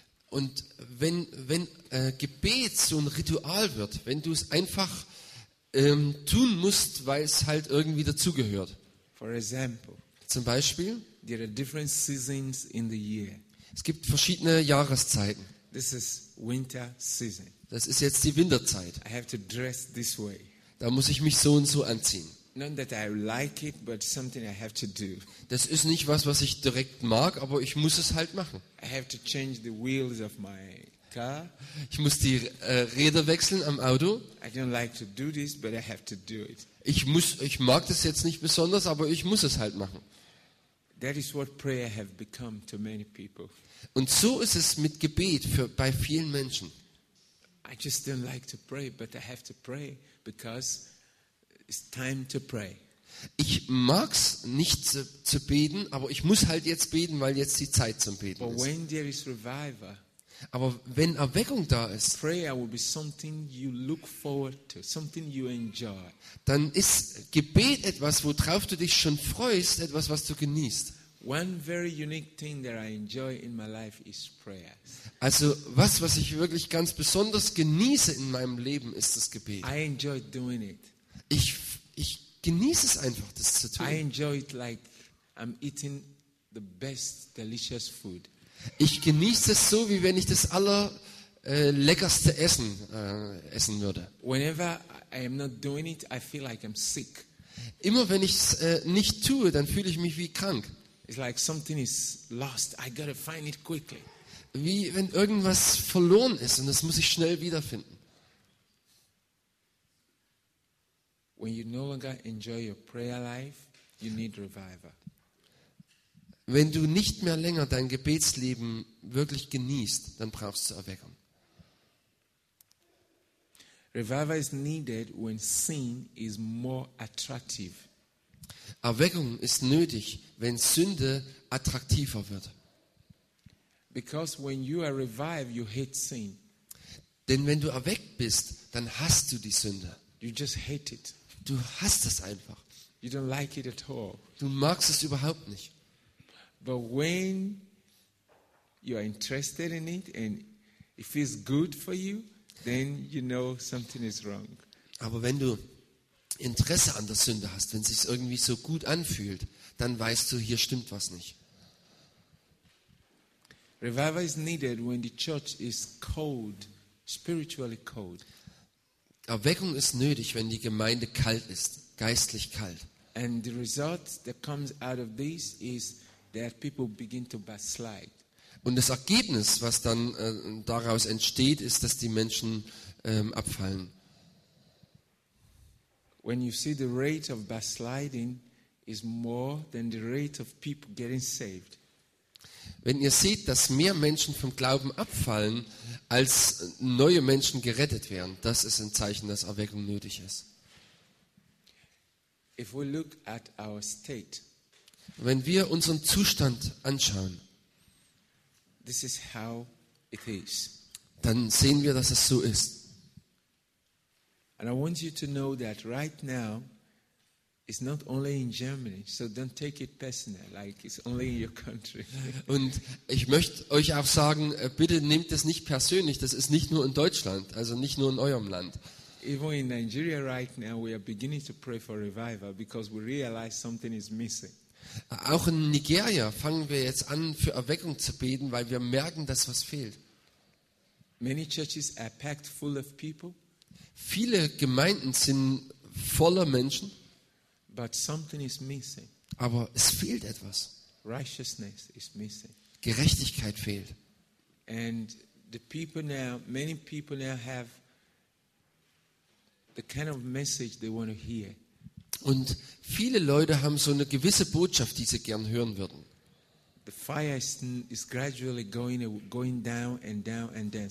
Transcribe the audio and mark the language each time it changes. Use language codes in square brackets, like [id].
[de] Und wenn Gebet so ein Ritual wird, wenn du es einfach tun musst, weil es halt irgendwie dazugehört. [en] For example, [de] zum Beispiel, [en] there are different seasons in the year. [de] Es gibt verschiedene Jahreszeiten. [en] This is winter season. [de] Das ist jetzt die Winterzeit. [en] I have to dress this way. [de] Da muss ich mich so und so anziehen. [en] Not that I like it, but something I have to do. [de] Das ist nicht was, was ich direkt mag, aber ich muss es halt machen. [en] I have to change the wheels of my car. [de] Ich muss die Räder wechseln am Auto. [en] I don't like to do this, but I have to do it. [de] Ich mag das jetzt nicht besonders, aber ich muss es halt machen. [en] That is what prayer have become to many people. [de] Und so ist es mit Gebet bei vielen Menschen. [en] I just don't like to pray, but I have to pray because it's time to pray. [de] Ich mag's nicht zu beten, aber ich muss halt jetzt beten, weil jetzt die Zeit zum Beten ist. [en] But when there is revival, [de] aber wenn Erweckung da ist, [en] prayer will be something you look forward to, something you enjoy. [de] Dann ist Gebet etwas, worauf du dich schon freust, etwas, was du genießt. [en] One very unique thing that I enjoy in my life is prayer. [de] Also was ich wirklich ganz besonders genieße in meinem Leben, ist das Gebet. [en] I enjoy doing it. [de] Ich genieße es einfach, das zu tun. [en] I enjoy it like I'm eating the best delicious food. [de] Ich genieße es so, wie wenn ich das allerleckerste essen würde. [en] Whenever I am not doing it, I feel like I'm sick. [de] Immer wenn ich es nicht tue, dann fühle ich mich wie krank. [en] It's like something is lost. I gotta find it quickly. [de] Wie wenn irgendwas verloren ist und das muss ich schnell wiederfinden. [en] When you no longer enjoy your prayer life, you need revival. [de] Wenn du nicht mehr länger dein Gebetsleben wirklich genießt, dann brauchst du Erweckung. [en] Revival is needed when sin is more attractive. [de] Erweckung ist nötig, wenn Sünde attraktiver wird. [en] Because when you are revived, you hate sin. [de] Denn wenn du erweckt bist, dann hast du die Sünde. [en] You just hate it. [de] Du hast es einfach. [en] You don't like it at all. [de] Du magst es überhaupt nicht. [en] But when you are interested in it and it feels good for you, then you know something is wrong. [de] Aber wenn du Interesse an der Sünde hast, wenn es sich irgendwie so gut anfühlt, dann weißt du, hier stimmt was nicht. [en] Revival is needed when the church is cold, spiritually cold. [de] Erweckung ist nötig, wenn die Gemeinde kalt ist, geistlich kalt. [en] And the result that comes out of this is that people begin to backslide. [de] Und das Ergebnis, was dann daraus entsteht, ist, dass die Menschen abfallen. [en] When you see the rate of backsliding is more than the rate of people getting saved. [de] Wenn ihr seht, dass mehr Menschen vom Glauben abfallen, als neue Menschen gerettet werden, das ist ein Zeichen, dass Erweckung nötig ist. [en] If we look at our state, [de] wenn wir unseren Zustand anschauen, [en] this is how it is. [de] Dann sehen wir, dass es so ist. [en] And I want you to know that right now, it's not only in Germany, so don't take it personal, like it's only in your country. [de] Und ich möchte euch auch sagen, bitte nehmt es nicht persönlich, das ist nicht nur in Deutschland, also nicht nur in eurem Land. [en] Even in Nigeria right now, we are beginning to pray for revival because we realize something is missing. [de] Auch in Nigeria fangen wir jetzt an, für Erweckung zu beten, weil wir merken, dass was fehlt. [en] Many churches are packed full of people. [de] Viele Gemeinden sind voller Menschen. [en] But something is missing. [de] Aber es fehlt etwas. [en] Righteousness is missing. [de] Gerechtigkeit fehlt. [en] And the people now, many people now have the kind of message they want to hear. [de] Und viele Leute haben so eine gewisse Botschaft, die sie gern hören würden. [en] The fire is gradually going down and down and down.